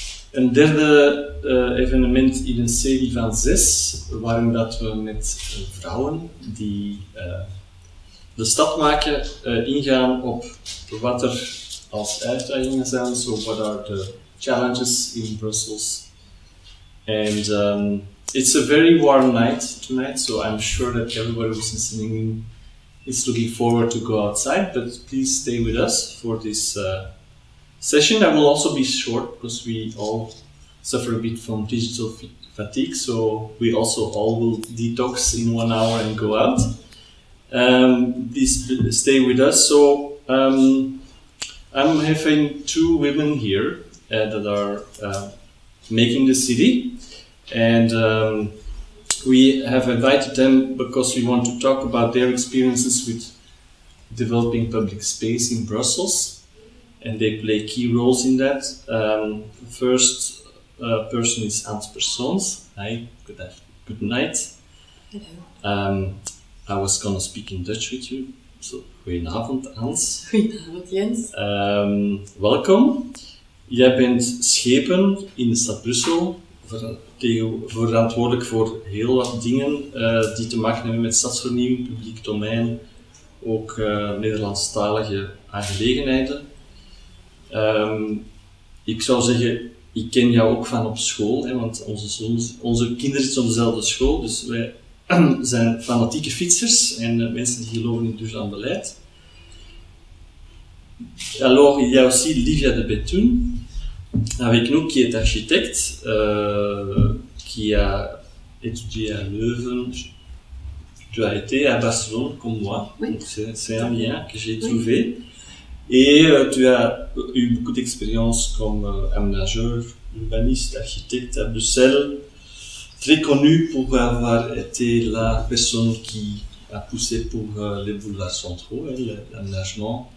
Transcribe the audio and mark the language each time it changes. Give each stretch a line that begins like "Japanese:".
Dutch: Een derde evenement in een serie van 6, waarin dat we met vrouwen die de stap maken, ingaan op wat er als uitdagingen zijn.
English: So what are the challenges in Brussels? And it's a very warm night tonight, so I'm sure that everybody who's listening in is looking forward to go outside, but please stay with us for this session that will also be short because we all suffer a bit from digital fatigue, so we also all will detox in 1 hour and go out. Please stay with us. So I'm having two women here that are making the city, and we have invited them because we want to talk about their experiences with developing public space in Brussels, and they play key roles in that. First person is Ans Persoons. Hi, good night. Hello. I was gonna speak in Dutch with you, so
Dutch: goedenavond Ans. Goedenavond Jens.
English: Welcome.
Dutch: Jij bent schepen in de stad Brussel, verantwoordelijk voor heel wat dingen die te maken hebben met stadsvernieuwing, publiek domein, ook Nederlandstalige aangelegenheden. Ik zou zeggen, ik ken jou ook van op school, hè, want onze kinderen zitten op dezelfde school, dus wij zijn fanatieke fietsers en mensen die geloven in duurzaam beleid.
French: Alors, il y a aussi Livia de Betoun, avec nous, qui est architecte, qui a étudié à Leuven, tu as été à Barcelone, comme moi, oui. C'est un lien que j'ai trouvé, et tu as eu beaucoup d'expérience comme aménageur, urbaniste, architecte à Bruxelles, très connu pour avoir été la personne qui a poussé pour les boulevards centraux, hein, l'aménagement.